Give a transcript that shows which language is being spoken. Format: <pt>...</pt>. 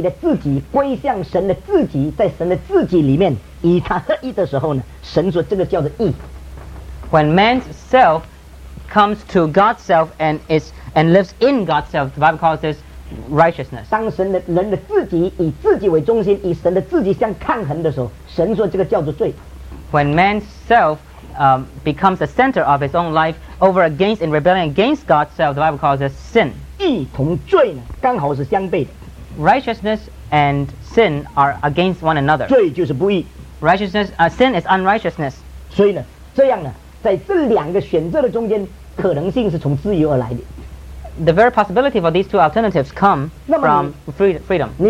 <zh>当人以自己的自己归向神的自己, 在神的自己里面, 以他合一的时候呢, 神说这个叫做义。</zh> <en>When man's self comes to God's self and lives in God's self, the Bible calls this righteousness.</en> <zh>当神的人的自己以自己为中心, 以神的自己相抗衡的时候，神说这个叫做罪。</zh> <en>When man's self becomes the center of his own life over against in rebellion against God's self, the Bible calls this sin.</en> <zh>义同罪呢，刚好是相悖的。</zh> <en>Righteousness and sin are against one another.</en> <zh>罪就是不义。</zh> <en>Sin is unrighteousness.</en> <zh>所以呢，这样呢。在这两个选择的中间，可能性是从自由而来的。</zh> <en>The very possibility for these two alternatives come from freedom.</en>